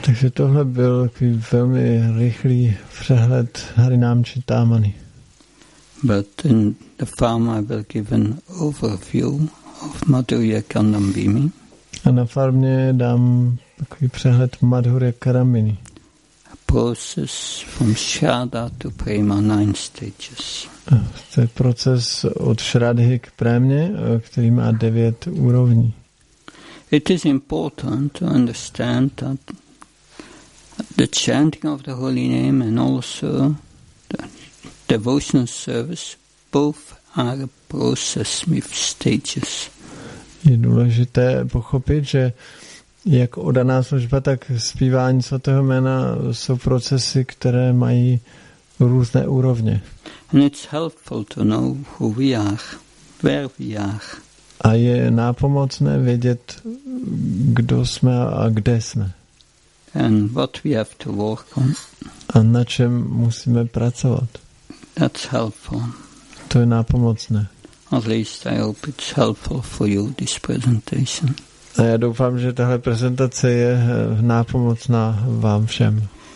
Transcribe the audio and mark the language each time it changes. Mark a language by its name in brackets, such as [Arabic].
[Czech] Takže tohle byl takový velmi rychlý přehled Harinam Chintamani. [English] But in the farm I will give an overview [Czech] v Madhurya Kandambhimi. A na farmě dám takový přehled Madhurya Karambini. [English] Process from Shraddha to Prema, 9 stages. [Czech] To je proces od Shraddhy k Prémě, který má 9 úrovní. [English] It is important to understand that the chanting of the holy name and also the devotional service both are a process with stages. [Czech] Je důležité pochopit, že jak oddaná služba, tak zpívání svatého jména jsou procesy, které mají různé úrovně. [English] And it's helpful to know who we are, where we are. [Czech] A je nápomocné vědět, kdo jsme a kde jsme. [English] And what we have to work on. [Czech] A na čem musíme pracovat. [English] That's helpful. [Czech] To je nápomocné. [English] At least I hope it's helpful for you, this presentation. [Czech] A já doufám, že tahle prezentace je nápomocná vám všem.